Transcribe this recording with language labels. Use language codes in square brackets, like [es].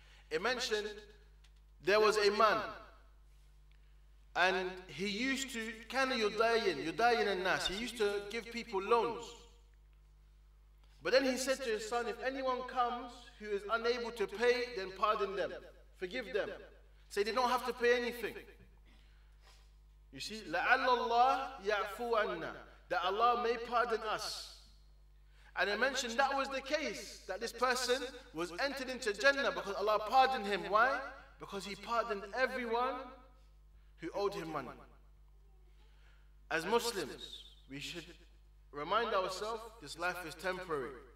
[en] It mentioned there was a man And he used to, [ar] كان يدين, يدين الناس. [en] He used to give people loans. But then he said to his son, if anyone comes who is unable to pay, then pardon them. Forgive them. Say they don't have to pay anything. You see, [ar] لَعَلَّ اللَّهِ يَعْفُو عَنَّا. [en] That Allah may pardon us. And I mentioned that was the case, that this person was entered into Jannah because Allah pardoned him. Why? Because he pardoned everyone who owed him money. As Muslims, we should remind ourselves this life is temporary.